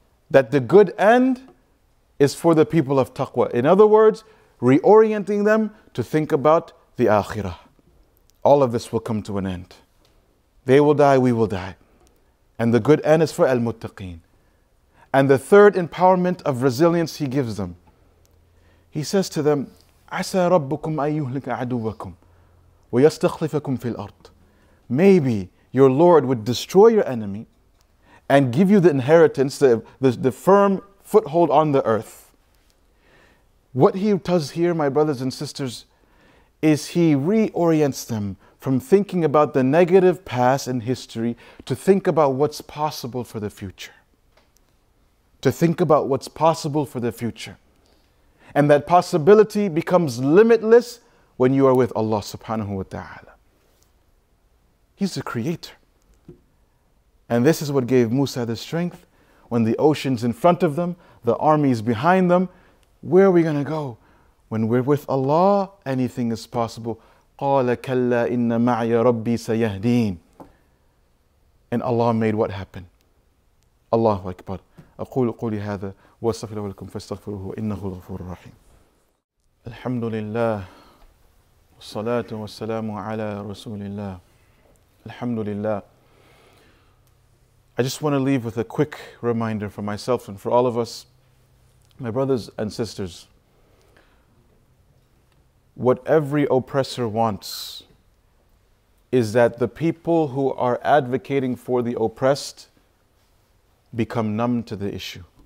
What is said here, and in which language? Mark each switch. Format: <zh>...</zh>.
<en>That the good end is for the people of taqwa. In other words, reorienting them to think about the akhirah. All of this will come to an end. They will die, we will die. And the good end is for al-muttaqeen. And the third empowerment of resilience he gives them.</en> <ar>He says to them, عَسَى رَبُّكُمْ أَيُّهْلِكَ عَدُوَّكُمْ وَيَسْتَخْلِفَكُمْ فِي الْأَرْضِ.</ar> <en>Maybe your Lord would destroy your enemy and give you the inheritance, the firm foothold on the earth. What he does here, my brothers and sisters, is he reorients them from thinking about the negative past and history to think about what's possible for the future. To think about what's possible for the future. And that possibility becomes limitless when you are with Allah subhanahu wa ta'ala. He's the creator. And this is what gave Musa the strength when the ocean's in front of them, the armies behind them. Where are we going to go? When we're with Allah, anything is possible.</en> <ar>قَالَ كَلَّا إِنَّ مَعْيَ رَبِّي سَيَهْدِينَ</ar> <en>And Allah made what happen?</en> <ar>Allahu Akbar. أَقُولُ قُولِ هَذَا وَاسْتَغْفِرُ لَكُمْ فَاسْتَغْفِرُهُ إِنَّهُ غَفُورٌ رَحِيمٌ الحمد لله والصلاة والسلام على رسول الله الحمد لله.</ar> <en>I just want to leave with a quick reminder for myself and for all of us, my brothers and sisters. What every oppressor wants is that the people who are advocating for the oppressed become numb to the issue.</en>